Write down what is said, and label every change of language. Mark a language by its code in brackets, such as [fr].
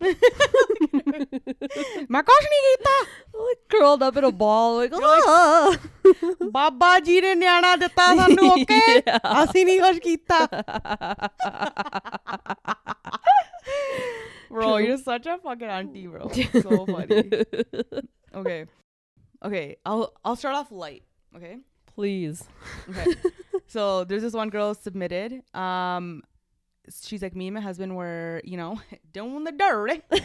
[en] My gosh, I curled up in a ball. Like, [pa] Baba ji ਨੇ ਨਿਆਣਾ ਦਿੱਤਾ ਸਾਨੂੰ, ਓਕੇ? ਅਸੀਂ ਨਹੀਂ ਕੁਝ ਕੀਤਾ. [en] Bro, you're such a fucking auntie, bro. So funny. Okay. Okay, I'll start off light, okay? Please. Okay. So there's this one girl submitted. She's like, me and my husband were, you know, doing the dirty.